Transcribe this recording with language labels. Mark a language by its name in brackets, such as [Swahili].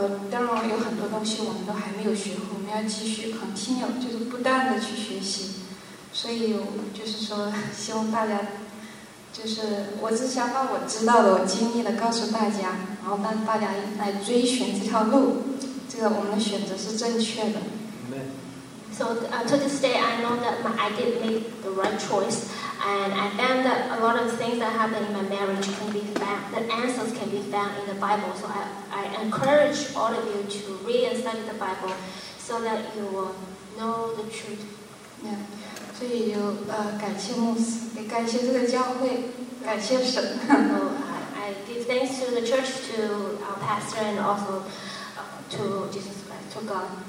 [Chinese] 当然有很多东西我们都还没有学会，我们要继续 continue 就是不断的去学习，所以我就是说希望大家就是我只想把我知道的我经历的告诉大家，然后让大家来追寻这条路，这个我们的选择是正确的。 [English] So to this day I know that I didn't make the right choice and I found that a lot of things that happened in my marriage can be found, the answers can be found in the Bible, so I encourage all of you to read and study the Bible so that you will know the truth. Yeah. [Chinese] 所以就感谢牧师，也感谢这个教会，感谢神。 [English] I give thanks to the church, to our pastor, and also to Jesus Christ, to God.